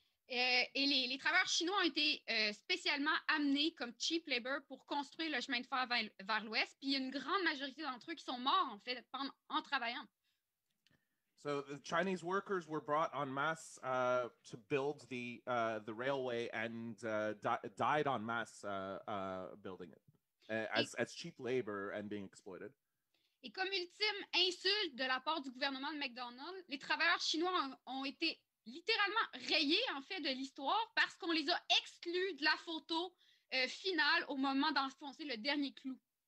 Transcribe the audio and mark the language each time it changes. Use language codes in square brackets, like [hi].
[fr] Et les travailleurs chinois ont été spécialement amenés comme [en] cheap labor [fr] pour construire le chemin de fer vers l'ouest, puis une grande majorité d'entre eux qui sont morts en fait en travaillant. [en] So the Chinese workers were brought en masse to build the railway and died en masse building it as cheap labor and being exploited. [fr] Et comme ultime insulte de la part du gouvernement de McDonald, les travailleurs chinois ont été littéralement rayés en fait de l'histoire parce qu'on les a exclus de la photo finale au moment d'enfoncer le dernier clou.